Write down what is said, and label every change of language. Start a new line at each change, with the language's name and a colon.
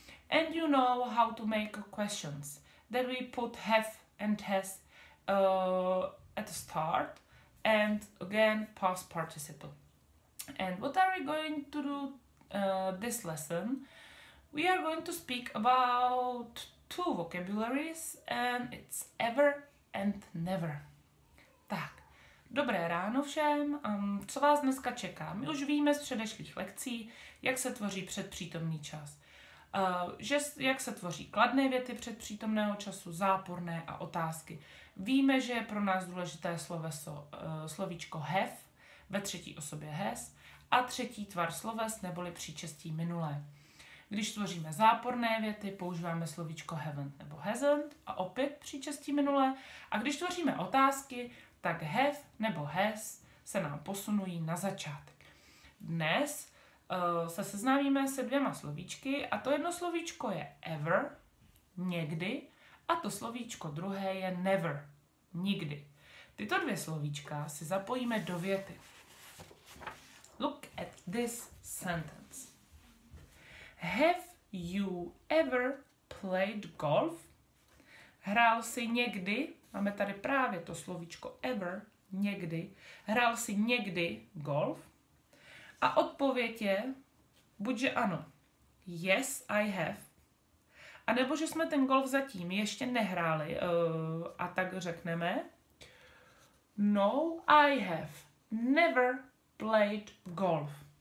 English: And you know how to make questions that we put have and has at the start and again past participle. And what are we going to do this lesson? We are going to speak about two vocabularies, and it's ever and never.
Czech: Tak, dobré ráno všem, co vás dneska čeká? My už víme z předešlých lekcí, jak se tvoří předpřítomný čas. Jak se tvoří kladné věty předpřítomného času, záporné a otázky. Víme, že je pro nás důležité sloveso, slovíčko have ve třetí osobě has a třetí tvar sloves neboli příčestí minulé. Když tvoříme záporné věty, používáme slovíčko haven't nebo hasn't a opět příčestí minulé. A když tvoříme otázky, tak have nebo has se nám posunují na začátek. Dnes se seznámíme se dvěma slovíčky a to jedno slovíčko je ever, někdy, a to slovíčko druhé je never, nikdy. Tyto dvě slovíčka si zapojíme do věty.
English: Look at this sentence. Have you ever played golf?
Czech: Hrál jsi někdy, máme tady právě to slovíčko ever, někdy, hrál jsi někdy golf? A odpověď je, buďže ano,
English: yes, I have.
Czech: A nebo že jsme ten golf zatím ještě nehráli a tak řekneme,
English: no, I have never played golf.